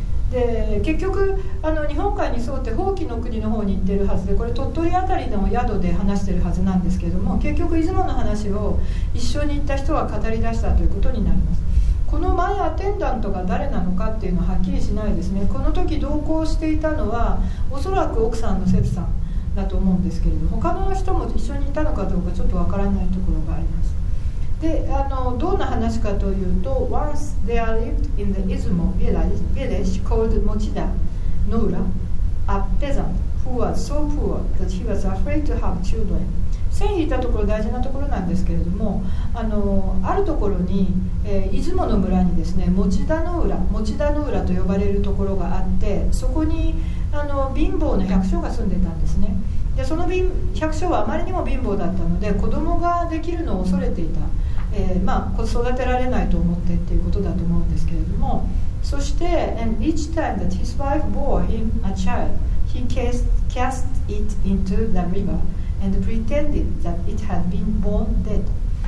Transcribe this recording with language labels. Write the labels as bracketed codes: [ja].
[ja] で、結局日本海に沿って伯耆の国の方に行ってるはずで、これ鳥取あたりの宿で話してるはずなんですけれども、結局出雲の話を一緒に行った人が語り出したということになります。このマイアテンダントが誰なのかっていうのははっきりしないですね。この時同行していたのはおそらく奥さんのセツさんだと思うんですけれども、他の人も一緒にいたのかどうかちょっとわからないところがあります。で、どんな話かというと、 [en] Once there lived in the 出雲 village called 持田の浦 a peasant who was so poor that he was afraid to have children。 [ja] 線引いたところ大事なところなんですけれども、あるところに、出雲の村にですね、持田の浦と呼ばれるところがあって、そこに貧乏の百姓が住んでたんですね。で、その百姓はあまりにも貧乏だったので子供ができるのを恐れていた、育てられないと思ってっていうことだと思うんですけれども、そして [en] And each time that his wife bore him a child, he cast it into the river and pretended that it had been born dead。